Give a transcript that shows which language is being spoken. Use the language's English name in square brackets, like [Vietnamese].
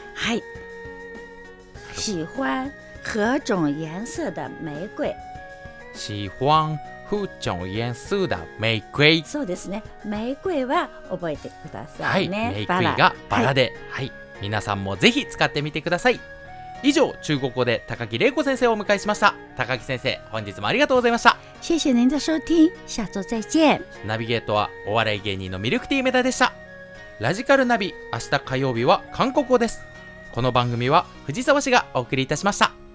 [Chinese] はい、喜欢何种颜色的玫瑰。喜欢何种颜色的玫瑰。 [Japanese] そうですね、玫瑰は覚えてくださいね、はい、玫瑰がバラで、はいはい、皆さんもぜひ使ってみてください。以上、中国語で高木玲子先生をお迎えしました。高木先生、本日もありがとうございました。 [Chinese] 谢谢您的收听、下周再见。 [Japanese] ナビゲートはお笑い芸人のミルクティー梅田でした。ラジカルナビ、明日火曜日は韓国語です。この番組は藤沢氏がお送りいたしました。